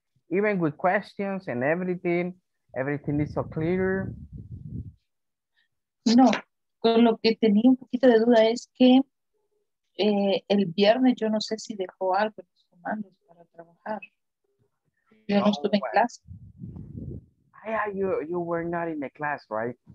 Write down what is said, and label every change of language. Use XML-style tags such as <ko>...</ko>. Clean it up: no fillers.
<en>Even with questions and everything is so clear.</en> <es>No, con lo que tenía un poquito de duda es que el viernes yo no sé si dejó algo en los comandos para trabajar. Yo no estuve en clase.</es> <en>Ah, yeah, you were not in the class, right?</en>